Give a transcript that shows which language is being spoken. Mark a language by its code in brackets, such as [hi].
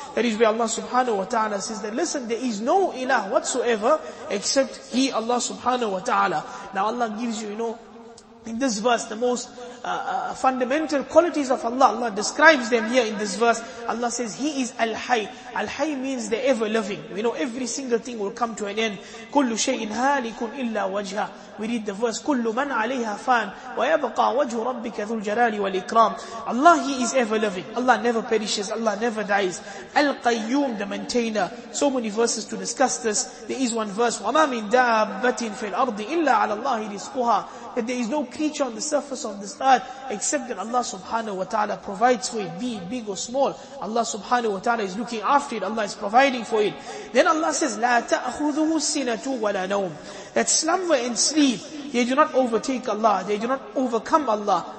[en] That is where Allah subhanahu wa ta'ala says that, listen, there is no ilah whatsoever except He, Allah subhanahu wa ta'ala. Now Allah gives you, you know, in this verse, the most fundamental qualities of Allah. Allah describes them here in this verse. Allah says, He is Al-Hay. Al-Hay means the ever-living. We know every single thing will come to an end. [ar] كُلُّ شَيْءٍ هَالِكٌ إِلَّا وَجْهَا. [en] We read the verse, [ar] كُلُّ مَنْ عَلَيْهَا فَانْ وَيَبَقَى وَجْهُ رَبِّكَ ذُو الْجَلَالِ وَالْإِكْرَامِ. [en] Allah, He is ever-living. Allah never perishes. Allah never dies. Al-Qayyum, the maintainer. So many verses to discuss this. There is one verse, [ar] وَمَا مِنْ دَابَّةٍ فِي الْأَرْضِ إِلَّا عَلَى اللَّهِ رِزْقُهَا. [en] That there is no creature on the surface of this earth except that Allah subhanahu wa ta'ala provides for it, be it big or small. Allah subhanahu wa ta'ala is looking after it. Allah is providing for it. Then Allah says, [ar] لا تأخذه السنة ولا نوم. [en] That slumber and sleep, they do not overtake Allah, they do not overcome Allah.